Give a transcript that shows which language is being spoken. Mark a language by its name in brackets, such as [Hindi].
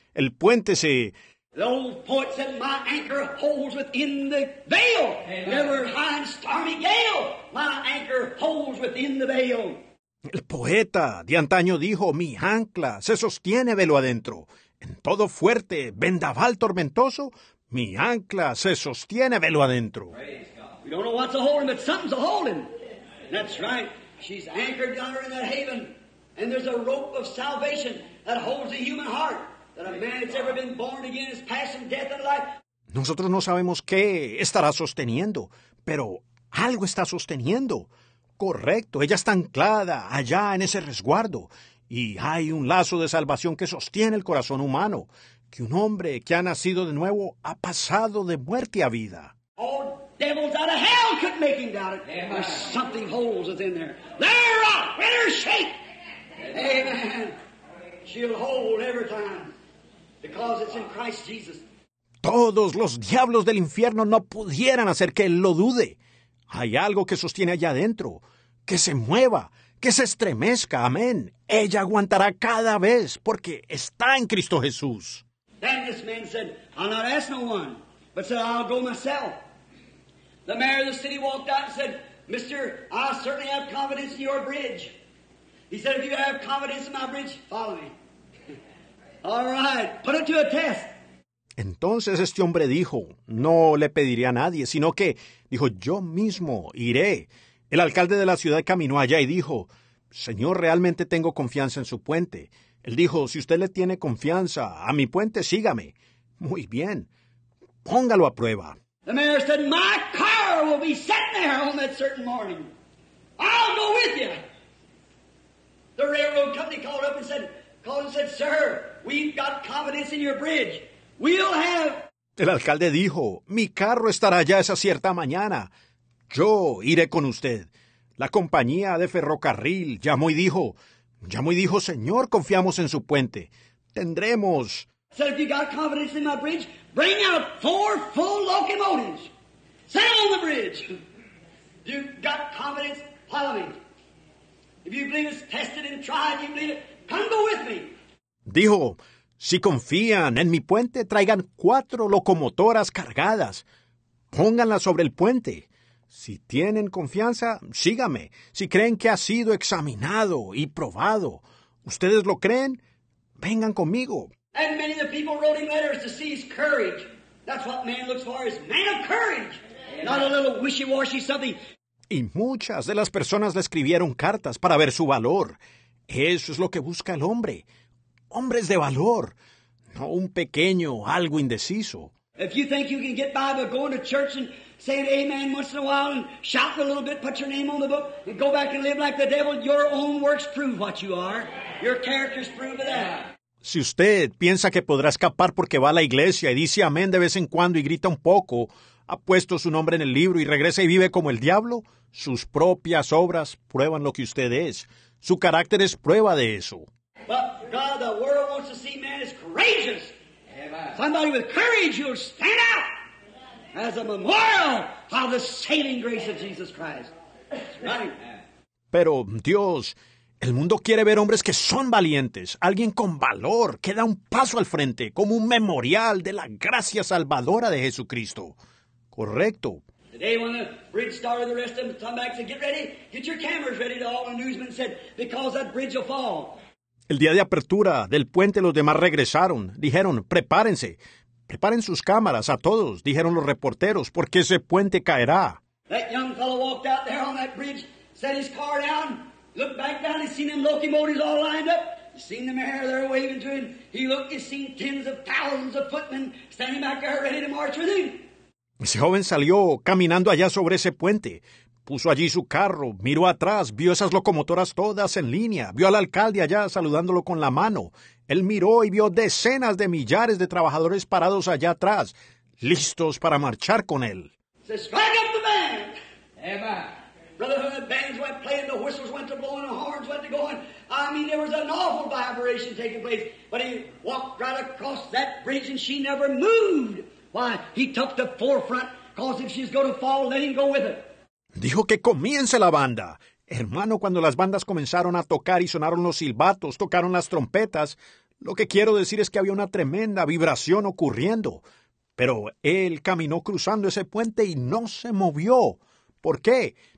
[Spanish] El puente se... [English] The old poet said, my anchor holds within the veil. Amen. Never high and stormy gale. My anchor holds within the veil. [Spanish] El poeta de antaño dijo, mi ancla se sostiene velo adentro. En todo fuerte vendaval tormentoso, mi ancla se sostiene velo adentro. [English] We don't know what's a holding, but something's a holding. That's right. She's anchored down in that haven. And there's a rope of salvation that holds the human heart. That a man that's ever been born again is passing death and life. [Spanish] Nosotros no sabemos qué estará sosteniendo, pero algo está sosteniendo. Correcto, ella está anclada allá en ese resguardo. Y hay un lazo de salvación que sostiene el corazón humano. Que un hombre que ha nacido de nuevo ha pasado de muerte a vida. [English] Devils out of hell couldn't make him doubt it. Amen. There's something holds within there. Let her rock, let her shake. Amen. Amen. She'll hold every time because it's in Christ Jesus. [Spanish] Todos los diablos del infierno no pudieran hacer que él lo dude. Hay algo que sostiene allá adentro. que se mueva, que se estremezca. Amén. Ella aguantará cada vez porque está en Cristo Jesús. [English] Then this man said, I'll not ask no one, but said, I'll go myself. The mayor of the city walked out and said, Mister, I certainly have confidence in your bridge. He said, if you have confidence in my bridge, follow me. All right, put it to a test. [Spanish] Entonces este hombre dijo, no le pediré a nadie, sino que, dijo, yo mismo iré. El alcalde de la ciudad caminó allá y dijo, Señor, realmente tengo confianza en su puente. Él dijo, si usted le tiene confianza a mi puente, sígame. Muy bien, póngalo a prueba. [English] The mayor said, my car will be sitting there on that certain morning. I'll go with you. The railroad company called and said, sir, we've got confidence in your bridge. We'll have... [Spanish] El alcalde dijo, mi carro estará allá esa cierta mañana. Yo iré con usted. La compañía de ferrocarril llamó y dijo, Señor, confiamos en su puente. Tendremos... [English] Said, if you got confidence in my bridge, bring out 4 full locomotives. Set them on the bridge. You got confidence, follow me. If you believe it's tested and tried, you believe it, come go with me. [Spanish] Dijo, si confían en mi puente, traigan 4 locomotoras cargadas. Pónganlas sobre el puente. Si tienen confianza, sígame. Si creen que ha sido examinado y probado, ustedes lo creen, vengan conmigo. [English] And many of the people wrote him letters to see his courage. That's what man looks for, is man of courage. Not a little wishy-washy something. [Spanish] Y muchas de las personas le escribieron cartas para ver su valor. Eso es lo que busca el hombre. Hombres de valor. No un pequeño algo indeciso. [English] If you think you can get by by going to church and saying amen once in a while and shout a little bit, put your name on the book, and go back and live like the devil, your own works prove what you are. Your character's proof of that. [Spanish] Si usted piensa que podrá escapar porque va a la iglesia y dice amén de vez en cuando y grita un poco, ha puesto su nombre en el libro y regresa y vive como el diablo, sus propias obras prueban lo que usted es. Su carácter es prueba de eso. [English] But God, the world wants to see man is courageous. Amen. Somebody with courage, you'll stand out as a memorial of the saving grace of Jesus Christ. Right. [Spanish] Pero Dios... El mundo quiere ver hombres que son valientes, alguien con valor, que da un paso al frente, como un memorial de la gracia salvadora de Jesucristo. Correcto. [English] Today when the bridge started, the rest of them come back and said, get ready, get your cameras ready, to all the newsmen said, because that bridge will fall. [Spanish] El día de apertura del puente, los demás regresaron. Dijeron, prepárense, preparen sus cámaras a todos, dijeron los reporteros, porque ese puente caerá. [English] That young fellow walked out there on that bridge, set his car down. Look back down, he's seen them locomotives all lined up. He's seen the mayor there waving to him. He looked, he's seen tens of thousands of footmen standing back there ready to march with him. [Spanish] Ese joven salió caminando allá sobre ese puente. Puso allí su carro, miró atrás, vio esas locomotoras todas en línea. Vio al alcalde allá saludándolo con la mano. Él miró y vio decenas de millares de trabajadores parados allá atrás, listos para marchar con él. [English] Se strike up the band. Eva. Brotherhood bands went playing, the whistles went to blowing, the horns went to going. I mean, there was an awful vibration taking place. But he walked right across that bridge and she never moved. Why, he took the forefront, cause if she's going to fall, let him go with it. [Spanish] Dijo que comience la banda. Hermano, cuando las bandas comenzaron a tocar y sonaron los silbatos, tocaron las trompetas, lo que quiero decir es que había una tremenda vibración ocurriendo. Pero él caminó cruzando ese puente y no se movió. ¿Por qué?